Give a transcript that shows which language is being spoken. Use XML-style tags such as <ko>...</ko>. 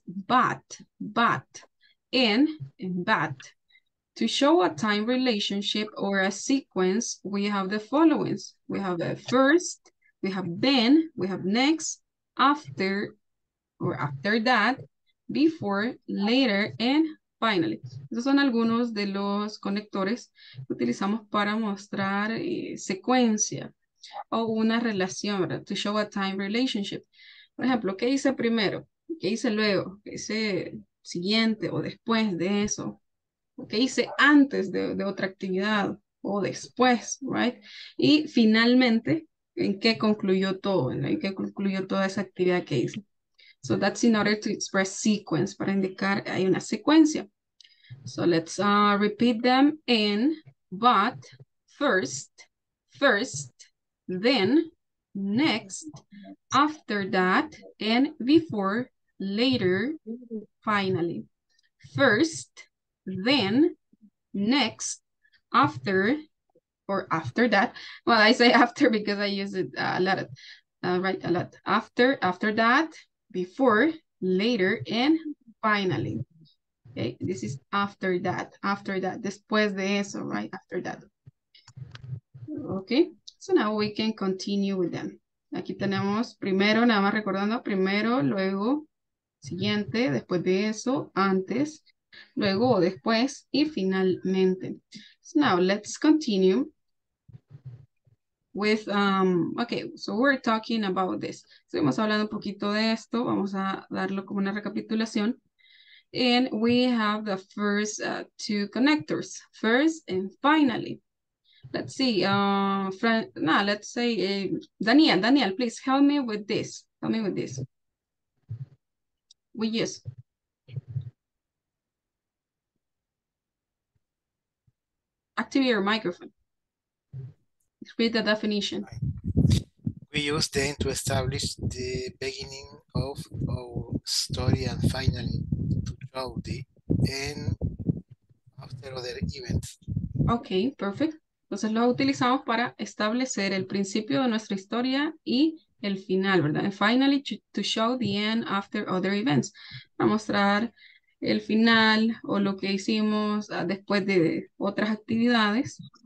<en>It's but, and but. To show a time relationship or a sequence, we have the followings. We have a first, we have then, we have next, after, or after that, before, later, and finally.</en> <es>Esos son algunos de los conectores que utilizamos para mostrar secuencia o una relación, ¿verdad?</es> <en>To show a time relationship.</en> <es>Por ejemplo, ¿qué hice primero? ¿Qué hice luego? ¿Qué hice siguiente o después de eso? ¿Qué hice antes de otra actividad o después, right? Y finalmente, ¿en qué concluyó todo? ¿En qué concluyó toda esa actividad que hice?</es> <en>So that's in order to express sequence,</en> <es>para indicar hay una secuencia.</es> <en>So let's repeat them in, but, first, then, next, after that, and before, later, finally. First, then, next, after, or after that. Well, I say after because I use it a lot. After that, before, later, and finally. Okay, this is after that,</en> <es>después de eso,</es> <en>right? After that. Okay, so now we can continue with them.</en> <es>Aquí tenemos primero, nada más recordando, primero, luego, siguiente, después de eso, antes, luego, después, y finalmente.</es> <en>So now let's continue with, okay, so we're talking about this.</en> <es>Seguimos hablando un poquito de esto, vamos a darlo como una recapitulación.</es> <en>And we have the first two connectors, first and finally. Let's see, Daniel, please help me with this. We use. Activate your microphone. Read the definition. We use them to establish the beginning of our story and finally to show the end after other events. Okay, perfect.</en> <es>Entonces lo utilizamos para establecer el principio de nuestra historia y el final, ¿verdad?</es> <en>And finally to show the end after other events.</en> <es>Para mostrar el final o lo que hicimos después de otras actividades.</es>